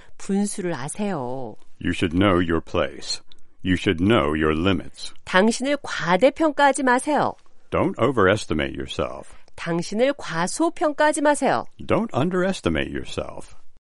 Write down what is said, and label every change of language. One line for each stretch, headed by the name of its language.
Korean: 분수를 아세요.
English: You should know your place. You should know your limits.
Korean: 당신을 과대평가하지 마세요.
English: Don't overestimate yourself.
Korean: 당신을 과소평가하지 마세요.
English: Don't underestimate yourself.